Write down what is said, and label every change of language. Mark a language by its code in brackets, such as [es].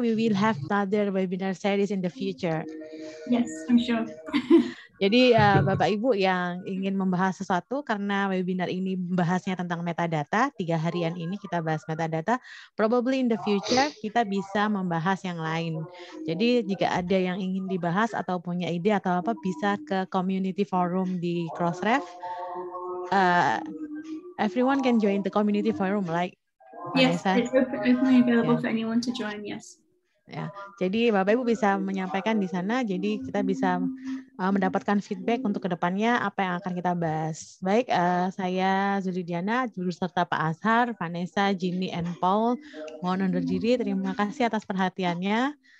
[en] We will have another webinar series in the future. Yes, I'm sure. [id] Jadi Bapak Ibu yang ingin membahas sesuatu, karena webinar ini membahasnya tentang metadata, 3 harian ini kita bahas metadata, [en] probably in the future [id] kita bisa membahas yang lain. Jadi jika ada yang ingin dibahas atau punya ide atau apa, bisa ke community forum di Crossref. [en] Everyone can join the community forum, like yes, Vanessa. It's openly available yeah. For anyone to join, yes. Yeah. [id] Jadi Bapak Ibu bisa menyampaikan di sana, jadi kita bisa mendapatkan feedback untuk kedepannya apa yang akan kita bahas. Baik, saya Zulidiana, juru serta Pak Azhar, Vanessa, Ginny, and Paul. Mohon undur diri, terima kasih atas perhatiannya.